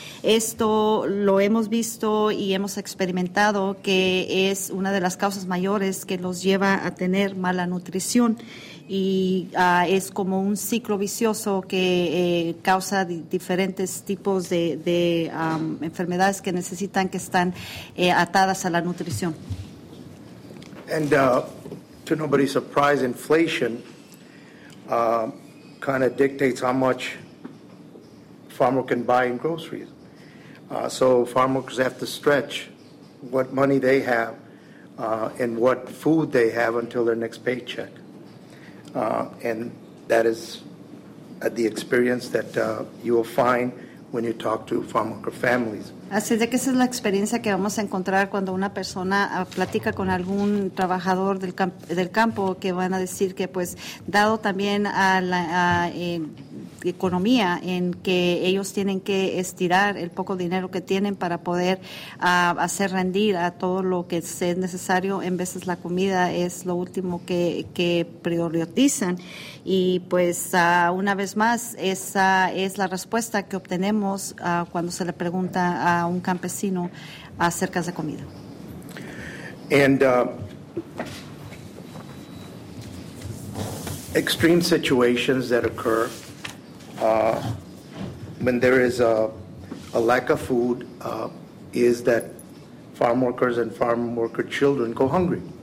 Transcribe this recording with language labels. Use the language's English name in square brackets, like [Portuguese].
[Spanish] Esto lo hemos visto y hemos experimentado que es una de las causas mayores que los lleva a tener mala nutrición. Y es como un ciclo vicioso que causa diferentes tipos de enfermedades que necesitan, que están atadas a la nutrición. [English] And to nobody's surprise, inflation kind of dictates how much farmer can buy in groceries. So farmers have to stretch what money they have and what food they have until their next paycheck. And that is the experience that you will find when you talk to farm worker families. [Spanish] Así de que esa es la experiencia que vamos a encontrar cuando una persona platica con algún trabajador del campo, que van a decir que pues dado también a la economía en que ellos tienen que estirar el poco dinero que tienen para poder hacer rendir a todo lo que es necesario. En veces la comida es lo último que priorizan. Y pues una vez más, esa es la respuesta que obtenemos cuando se le pregunta a un campesino acerca de comida. [English] And extreme situations that occur when there is a lack of food is that farm workers and farm worker children go hungry.